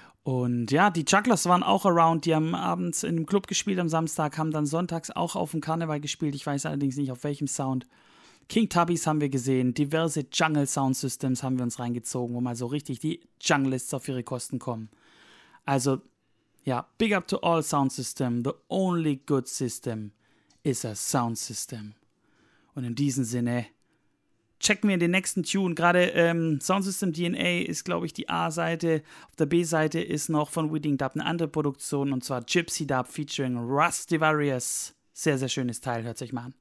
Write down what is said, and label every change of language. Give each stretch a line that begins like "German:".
German: Und ja, die Jugglers waren auch around. Die haben abends in einem Club gespielt am Samstag, haben dann sonntags auch auf dem Karneval gespielt. Ich weiß allerdings nicht, auf welchem Sound. King Tubbies haben wir gesehen, diverse Jungle Sound Systems haben wir uns reingezogen, wo mal so richtig die Junglists auf ihre Kosten kommen. Also, ja,
English: big up to all Sound System. The only good system is a Sound System.
German: Und in diesem Sinne, checken wir in den nächsten Tune. Gerade Sound System DNA ist, glaube ich, die A-Seite. Auf der B-Seite ist noch von Weeding Dub eine andere Produktion, und zwar Gypsy Dub featuring Rusty Various. Sehr, sehr schönes Teil, hört sich mal an.